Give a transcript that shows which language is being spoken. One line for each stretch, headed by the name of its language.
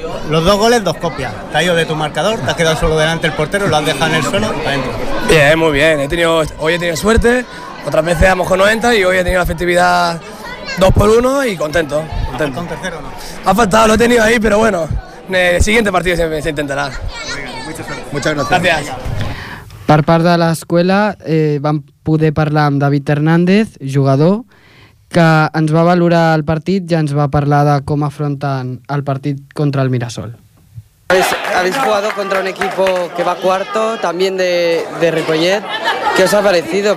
Spanish: Los 2 goles, 2 copias. Te has ido de tu marcador, te has quedado solo delante del portero, lo has dejado en el suelo, para adentro. Bien, muy bien. Hoy he tenido suerte, otras veces a lo mejor no entra y hoy he tenido la efectividad 2-1 y contento. ¿Contento? ¿Un tercero o no? Ha faltado, lo he tenido ahí, pero bueno, el siguiente partido se intentará. Muchas gracias. Gracias.
Catalan: Per part de l'escola vam poder parlar amb David Hernández, jugador, que ens va valorar el partit i ens va parlar de com afronten el partit contra el Mirasol.
Spanish: Habéis jugado contra un equipo que va cuarto, también de Ripollet. ¿Qué os ha parecido?